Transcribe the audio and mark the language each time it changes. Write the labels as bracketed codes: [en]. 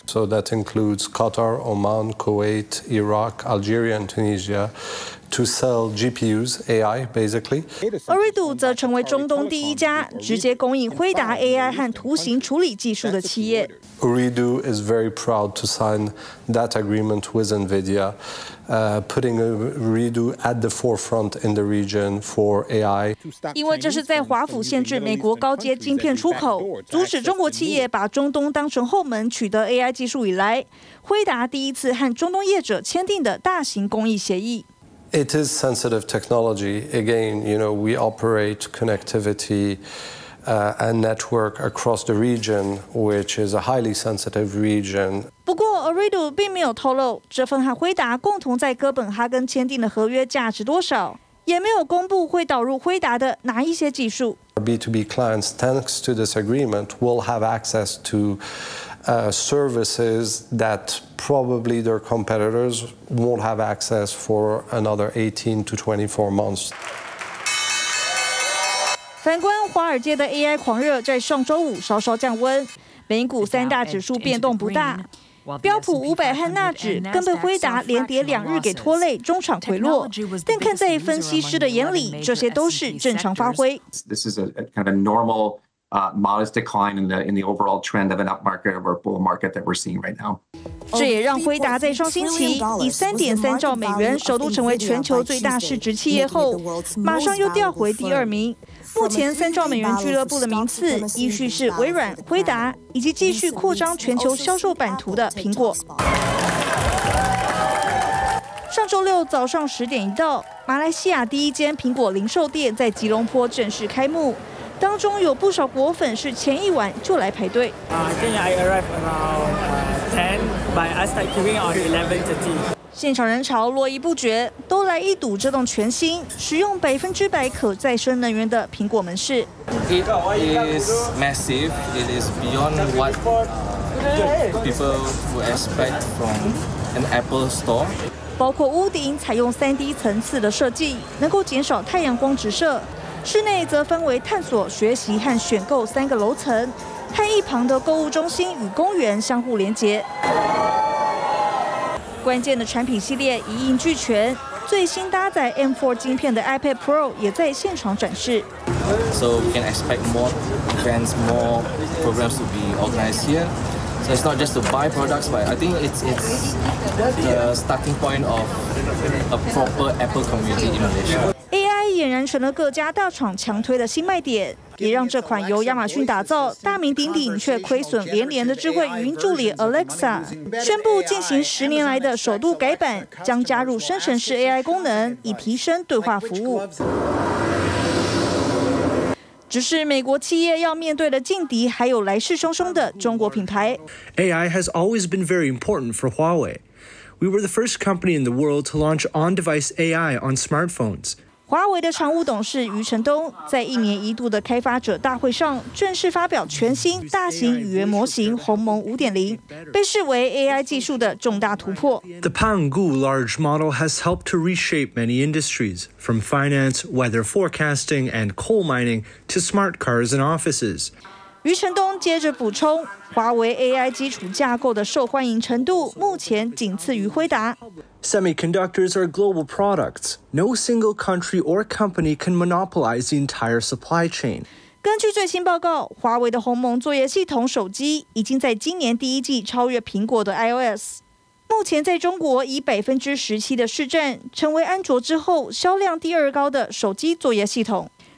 [en] So that includes Qatar, Oman, Kuwait, Iraq, Algeria, and Tunisia to sell GPUs AI, basically. [zh] Ooredoo 则成为中东第一家直接供应辉达 AI 和图形处理技术的企业。 [en] Ooredoo is very proud to sign that agreement with NVIDIA. Putting Ooredoo at the forefront in the region for AI. [zh] 因为这是在华府限制美国高阶晶片出口，阻止中国企业把中东当成后门取得 AI 技术以来，辉达第一次和中东业者签订的大型供应协议。 [en] It is sensitive technology. Again, you know, we operate connectivity. And network across the region, which is a highly sensitive region. [zh] 不过 ，Ooredoo 并没有透露这份和辉达共同在哥本哈根签订的合约价值多少，也没有公布会导入辉达的哪一些技术。 [en] Our B2B clients, thanks to this agreement, will have access to services that probably their competitors won't have access for another 18 to 24 months. [zh] 反观华尔街的 AI 狂热，在上周五稍稍降温，美股三大指数变动不大，标普500和纳指更被辉达连跌两日给拖累，中场回落。但看在分析师的眼里，这些都是正常发挥。 [en] This is a kind of normal, modest decline in the overall trend of an up market or bull market that we're seeing right now. [zh] 这也让辉达在上星期以3.3兆美元首度成为全球最大市值企业后，马上又掉回第二名。目前3兆美元俱乐部的名次依序是微软、辉达，以及继续扩张全球销售版图的苹果。上周六早上10点一到，马来西亚第一间苹果零售店在吉隆坡正式开幕，当中有不少果粉是前一晚就来排队。 [en] I arrived around 10, but I started queuing at 11:30. [zh] 现场人潮络绎不绝，都来一睹这栋全新、使用100%可再生能源的苹果门市。 [en] It is massive. It is beyond what people would expect from an Apple store. [zh] 包括屋顶采用 3D 层次的设计，能够减少太阳光直射；室内则分为探索、学习和选购3个楼层，和一旁的购物中心与公园相互连接。关键的产品系列一应俱全，最新搭载 M4 晶片的 iPad Pro 也在现场展示。 [en] So we can expect more events, more programs to be organized here. So it's not just to buy products, but I think it's the starting point of a proper Apple community in Malaysia. [zh] 俨然成了各家大厂强推的新卖点，也让这款由亚马逊打造、大名鼎鼎却亏损连连的智慧语音助理 Alexa 宣布进行10年来的首度改版，将加入生成式 AI 功能，以提升对话服务。只是美国企业要面对的劲敌，还有来势汹汹的中国品牌。 [en] AI has always been very important for Huawei. We were the first company in the world to launch on-device AI on smartphones. [zh] 华为的常务董事余承东在一年一度的开发者大会上正式发表全新大型语言模型鸿蒙 5.0， 被视为 AI 技术的重大突破。 [en] The Panggu large model has helped to reshape many industries, from finance, weather forecasting, and coal mining to smart cars and offices. [zh] 余承东接着补充，华为 AI 基础架构的受欢迎程度目前仅次于辉达。 [en] Semiconductors are global products. No single country or company can monopolize the entire supply chain. [zh] 根据最新报告，华为的鸿蒙作业系统手机已经在今年第一季超越苹果的 iOS。目前在中国以17%的市占，成为安卓之后销量第二高的手机作业系统。